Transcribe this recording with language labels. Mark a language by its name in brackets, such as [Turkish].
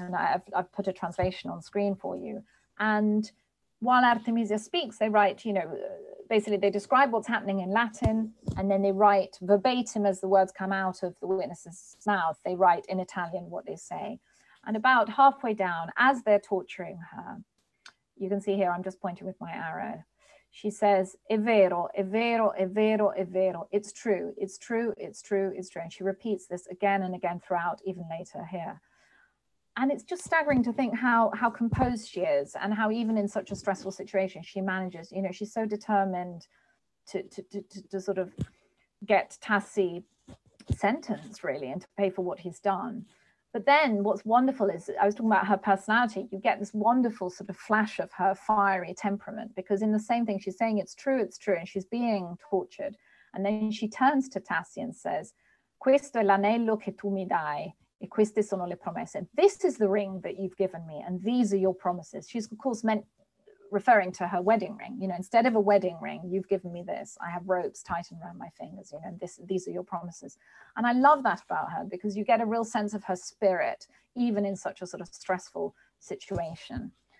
[English] And I've put a translation on screen for you. And while Artemisia speaks, they write, you know, basically, they describe what's happening in Latin, and then they write verbatim as the words come out of the witness's mouth. They write in Italian what they say. And about halfway down, as they're torturing her, you can see here, I'm just pointing with my arrow. [Italian] She says, è vero, è vero, è vero, è vero. [English] It's true, it's true, it's true, it's true. And she repeats this again and again throughout, even later here. And it's just staggering to think how composed she is and how even in such a stressful situation she manages. You know, she's so determined to sort of get Tassi sentenced, really, and to pay for what he's done. But then what's wonderful is, I was talking about her personality, you get this wonderful sort of flash of her fiery temperament, because in the same thing, she's saying it's true, and she's being tortured. [Italian] And then she turns to Tassi and says, questo è l'anello che tu mi dai, e queste sono le promesse. [English] This is the ring that you've given me, and these are your promises. She's, of course, meant referring to her wedding ring. You know, instead of a wedding ring, you've given me this. I have ropes tightened around my fingers, you know, these are your promises. And I love that about her, because you get a real sense of her spirit, even in such a sort of stressful situation.